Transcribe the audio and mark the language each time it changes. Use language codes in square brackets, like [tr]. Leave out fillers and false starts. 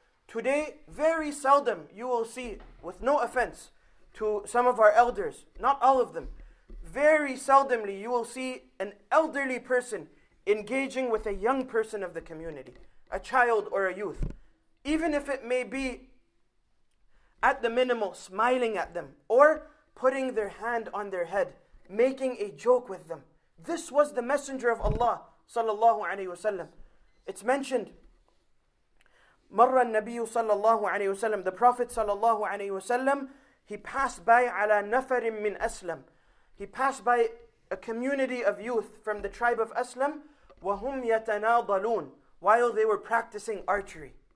[en] Today, very seldom you will see, with no offense to some of our elders, not all of them, very seldomly you will see an elderly person engaging with a young person of the community, a child or a youth. Even if it may be at the minimal smiling at them or putting their hand on their head, making a joke with them. This was the Messenger of Allah sallallahu alayhi wa sallam. It's mentioned, [ar] مَرَّ النَّبِيُّ صَلَّى اللَّهُ عَلَيْهِ وَسَلَّمُ. [en] The Prophet sallallahu alayhi wa sallam, he passed by [ar] عَلَى نَفَرٍ مِّنْ أَسْلَمْ. [en] He passed by a community of youth from the tribe of Aslam, [ar] وَهُمْ يَتَنَاضَلُونَ, [en] while they were practicing archery.